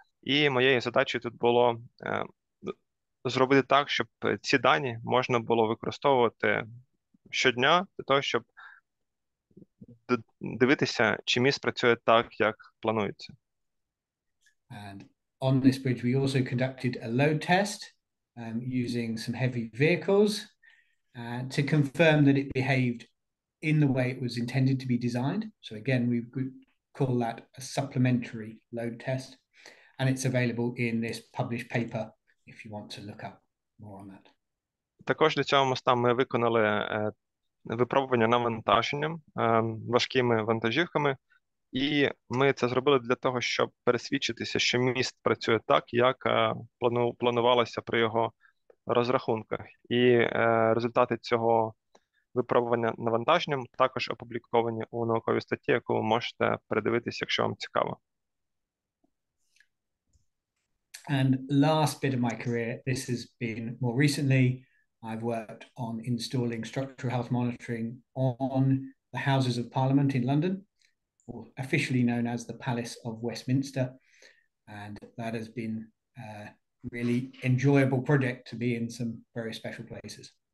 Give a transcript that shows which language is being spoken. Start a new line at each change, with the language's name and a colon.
Ukrainian: І моєю задачею тут було зробити так, щоб ці дані можна було використовувати щодня для того, щоб дивитися, чи міст працює так, як планується.
English: And on this bridge, we also conducted a load test using some heavy vehicles to confirm that it behaved in the way it was intended to be designed. So again, we could call that a supplementary load test. And it's available in this published paper if you want to look up more on that.
Ukrainian: Також для цього моста ми виконали випробування навантаженням, важкими вантажівками. І ми це зробили для того, щоб пересвідчитися, що міст працює так, як планувалося при його розрахунках. І результати цього випробування навантаженням також опубліковані у науковій статті, яку ви можете передивитися, якщо вам цікаво.
English: And last bit of my career, this has been more recently. I've worked on installing structural health monitoring on the Houses of Parliament in London, or officially known as the Palace of Westminster. And that has been a really enjoyable project to be in some very special places.